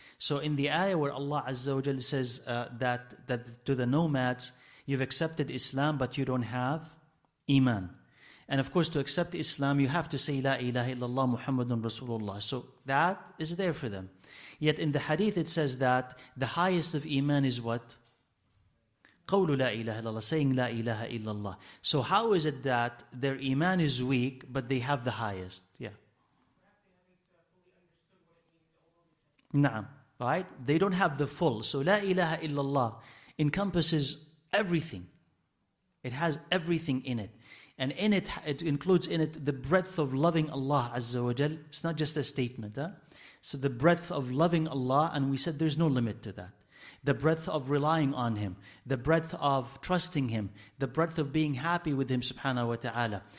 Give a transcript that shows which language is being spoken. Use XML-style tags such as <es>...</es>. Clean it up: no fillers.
<en>So in the ayah where Allah Azza wa Jalla says that to the nomads, you've accepted Islam but you don't have iman. And of course, to accept Islam, you have to say</en> <ar>La ilaha illallah Muhammadun Rasulullah.</ar> <en>So that is there for them. Yet in the hadith it says that the highest of iman is what?</en> <ar>قول لا إله إلا الله,</ar> <en>saying</en> <ar>لا إله إلا الله.</ar> <en>So how is it that their iman is weak, but they have the highest? Yeah.</en> <ar>نعم,</ar> <en>right? They don't have the full. So</en> <ar>لا إله إلا الله</ar> <en>encompasses everything. It has everything in it. And in it, it includes in it the breadth of loving Allah Azza wa Jal. It's not just a statement. Huh? So the breadth of loving Allah, and we said there's no limit to that. The breadth of relying on Him, the breadth of trusting Him, the breadth of being happy with Him, subhanahu wa ta'ala.</en>